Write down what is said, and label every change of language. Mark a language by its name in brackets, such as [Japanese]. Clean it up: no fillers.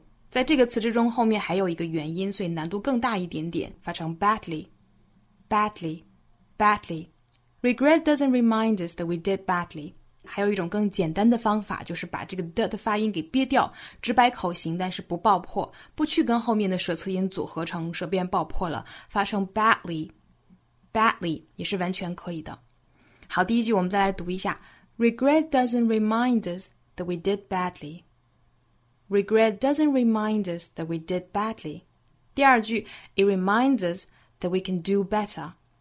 [Chinese] 在这个词之中，后面还有一个元音，所以难度更大一点点，发成 badly。 [English] Regret doesn't remind us that we did badly。 [Chinese] 还有一种更简单的方法，就是把这个 d 的发音给憋掉，直白口型，但是不爆破，不去跟后面的舌侧音组合成舌边爆破了，发成 badly。 Badly 也是完全可以的。好，第一句我们再来读一下。 [English] Regret doesn't remind us that we did badly. Regret doesn't remind us that we did badly. [Chinese] 第二句 [English] ,It reminds us that we can do better.